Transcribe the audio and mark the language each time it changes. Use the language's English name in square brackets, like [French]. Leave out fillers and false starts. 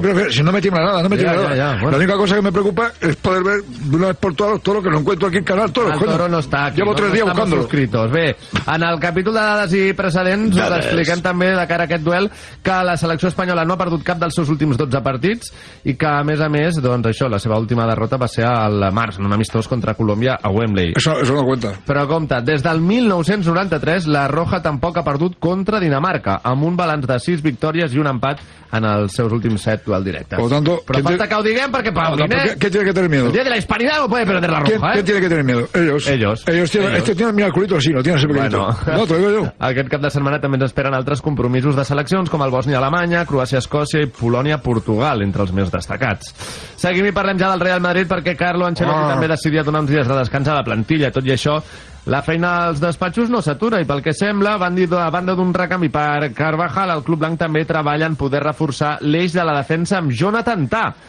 [Spanish] Si no me tiembla nada, La única cosa que me preocupa es poder ver una vez por todas los toros que no encuentro aquí en el canal. Llevo tres días buscándolo. [Catalan] Bé, en el capítol de dades i precedents us expliquem també de cara a aquest duel que la selecció espanyola no ha perdut cap dels seus últims 12 partits i que, a més, doncs això, la seva última derrota va ser al març, en un amistós contra Colòmbia a Wembley. Això no [Spanish] cuenta. [Catalan] Però compte, des del 1993 la Roja tampoc ha perdut contra Dinamarca, amb un balanç de 6 victòries i un empat en els seus últims 7 duels directes. Però falta que ho diguem perquè [Spanish] ¿Qué tiene que tener miedo? El día de la hispanidad no puede perder la Roja, ¿Qué tiene que tener miedo? Ellos. Este tiene el miraculito así, lo tiene ese pequeñito. No, te lo digo yo. [Catalan] Aquest cap de setmana també ens esperen altres compromisos de seleccions com el Bòsnia-Alemanya, Croàcia-Escòcia i Polònia-Portugal, entre els més destacats. Seguim i parlem ja del Real Madrid perquè Carlo Ancelotti també decidia donar uns dies de descans a la plantilla. Tot i això, la feina als despatxos no s'atura i, pel que sembla, van dir a banda d'un recanvi per Carvajal, el club blanc també treballa en poder reforçar l'eix de la defensa amb Jonathan Tah.